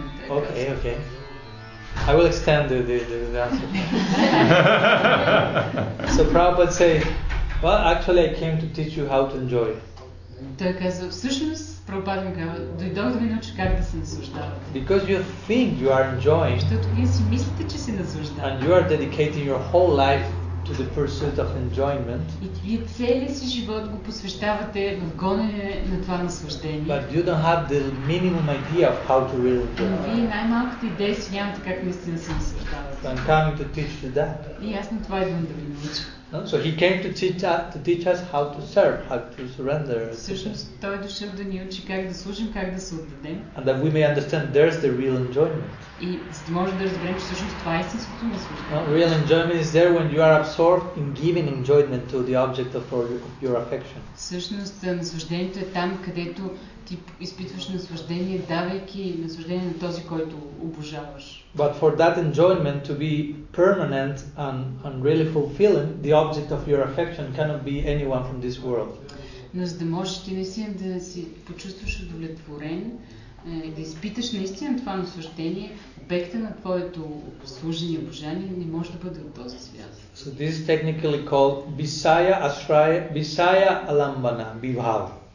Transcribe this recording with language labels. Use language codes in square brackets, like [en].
[en] Okay. I will extend the answer. So Prabhupada said, well, actually I came to teach you how to enjoy. [bg] Той казва, всъщност, Прабхупада ми казва, дойдох да ви науча как да се наслаждава. [en] Because you think you are enjoying. [bg] Защото вие си мислите, че се наслаждава. [en] And you are dedicating your whole life to the pursuit of enjoyment. [bg] И вие целия си живот го посвещавате в гонене на това наслаждение. [en] But you don't have the minimum idea of how to really enjoy. [bg] Но вие най-малката идея си нямате как наистина се наслаждавате. [en] So I'm coming to teach you that. [bg] И аз на това идвам да ви науча. [en] No? So he came to teach us how to serve, how to surrender. And that we may understand there's the real enjoyment. No? Real enjoyment is there when you are absorbed in giving enjoyment to the object of your affection. [bg] Ти изпитваш наслаждение, давайки наслаждение на този, който обожаваш. [en] But for that enjoyment to be permanent and really fulfilling, the object of your affection cannot be anyone from this world. [bg] Но за да можеш ти наистина да си почувстваш удовлетворен, да изпиташ наистина това наслаждение, обекта на твоето служение и обожание не може да бъде от този свят. [en] So this is technically called Visaya Ashraya, Visaya Alambana, Vibhava.